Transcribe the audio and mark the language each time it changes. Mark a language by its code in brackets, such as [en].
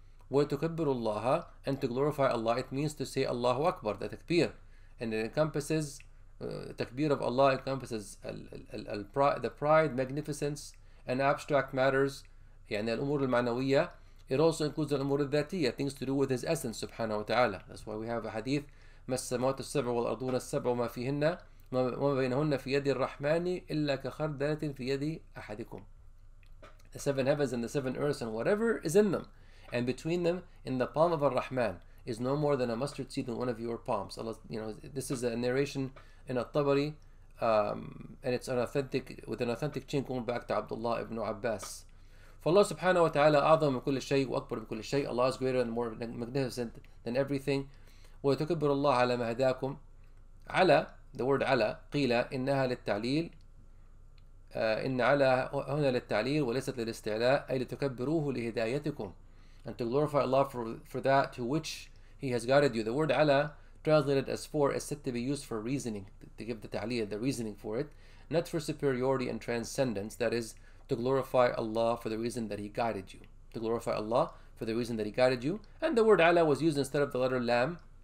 [ar] وَلْتُكَبِّرُ اللَّهَ, [en] and to glorify Allah, it means to say Allahu Akbar, the takbir. And it encompasses, takbir of Allah encompasses the pride, magnificence, and abstract matters, [ar] يعني الأمور المعنوية. [en] It also includes [ar] الأمور الذاتية, [en] things to do with His essence, subhanahu wa ta'ala. That's why we have a hadith, [ar] مَا السَّمَوَاتُ السَّبْعُ وَالْأَرْضُونَ السَّبْعُ وَمَا فِيهِنَّ وَمَا بَيْنَهُنَّ فِي يَدِ الرَّحْمَنِ إِلَّا كَخَرْدَلَةٍ فِي يَدِ أَحَدِكُمْ. [en] The seven heavens and the seven earths and whatever is in them, and between them, in the palm of Ar-Rahman, is no more than a mustard seed in one of your palms. Allah, you know, this is a narration in At-Tabari, and it's an authentic, with an authentic chain going back to Abdullah ibn Abbas. [ar] For Allah subhanahu wa ta'ala, أعظم من كل شيء وأكبر من كل شيء. [en] Allah is greater and more magnificent than everything. [ar] وَيَتَكَبَّرُ اللَّهُ عَلَى مَا هَدَاكُمْ. على, the word على, قيل إنها للتعليل. إن على هنا للتعليل وليست للاستعلاء, أي لتكبروه لهدايتكم. [en] And to glorify Allah for that to which He has guided you. The word ala, translated as for, is said to be used for reasoning, to give the ta'liyah, the reasoning for it, not for superiority and transcendence, that is, to glorify Allah for the reason that He guided you. To glorify Allah for the reason that He guided you. And the word ala was used instead of the letter lam.